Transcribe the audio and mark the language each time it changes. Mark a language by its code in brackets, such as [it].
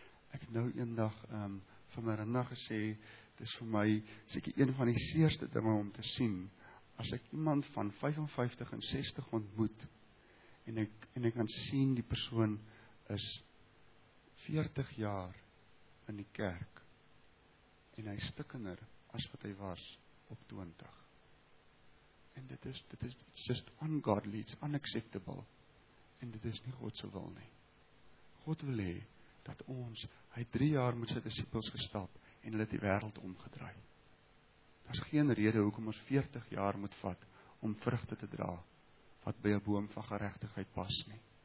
[af] Ek het nou eendag vir my Rinda gesê, dit is vir my seker een van die seerste dinge om te sien as ek iemand van 55 en 60 ontmoet en ek kan sien die persoon is 40 jaar in die kerk en hy stikkender as wat hy was op 20. En dit is [en] it's just ungodly, it's unacceptable. [af] En dit is nie God se wil nie. God wil hê dat ons, hy 3 jaar met sy disippels gestap en hulle die wêreld omgedraai. Daar's geen rede hoekom ons 40 jaar moet vat om vrugte te dra wat by 'n boom van geregtigheid pas nie.